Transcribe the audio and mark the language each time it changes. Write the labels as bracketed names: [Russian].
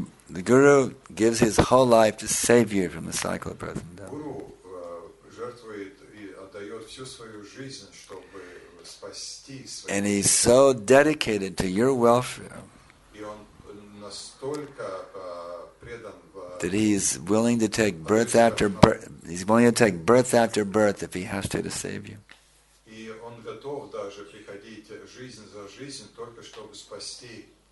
[English] The guru gives his whole life to save you from the cycle of birth and death. [Russian] Guru жертвует и отдает всю свою жизнь, чтобы спасти свою. [English] And he's so dedicated to your welfare. [Russian] И он настолько предан. [English] That he's willing to take birth after birth. He's willing to take birth after birth if he has to save you. [Russian] И он готов даже приходить жизнь за жизнь только чтобы спасти.